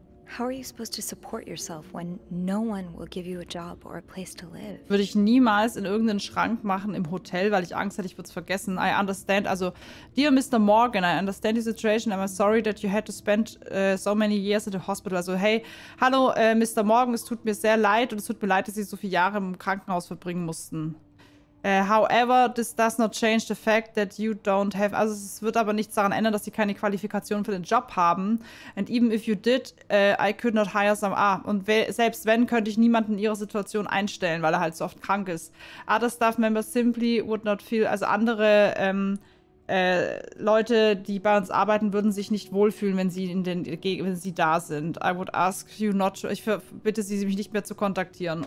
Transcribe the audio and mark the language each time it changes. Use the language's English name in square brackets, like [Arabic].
[English] How are you supposed to support yourself when no one will give you a job or a place to live? [German] Würde ich niemals in irgendeinen Schrank machen im Hotel, weil ich Angst hätte, ich würde es vergessen. [English] I understand. Also, dear Mr. Morgan, I understand the situation. I'm sorry that you had to spend so many years in the hospital. [German] Also, hey, hallo, Mr. Morgan, es tut mir sehr leid und es tut mir leid, dass Sie so viele Jahre im Krankenhaus verbringen mussten. [English] However, this does not change the fact that you don't have... [German] Also es wird aber nichts daran ändern, dass sie keine Qualifikation für den Job haben. [English] And even if you did, I could not hire some... [German] Ah, und selbst wenn, könnte ich niemanden in ihrer Situation einstellen, weil er halt so oft krank ist. [English] Other staff members simply would not feel... [German] Also andere Leute, die bei uns arbeiten, würden sich nicht wohlfühlen, wenn sie in den, wenn sie da sind. [English] I would ask you not to... [German] Ich bitte sie, mich nicht mehr zu kontaktieren.